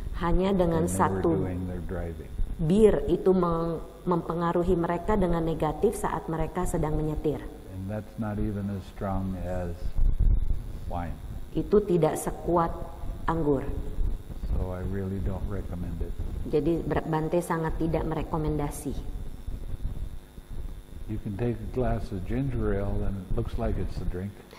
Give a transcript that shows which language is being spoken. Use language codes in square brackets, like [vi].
[id] Hanya dengan satu bir itu mempengaruhi mereka dengan negatif saat mereka sedang menyetir. [en] And that's not even as strong as wine. [id] Itu tidak sekuat anggur. [en] So I really don't recommend it. [id] Jadi Bante sangat tidak merekomendasi. [en] You can take a glass of ginger ale and it looks like it's a drink.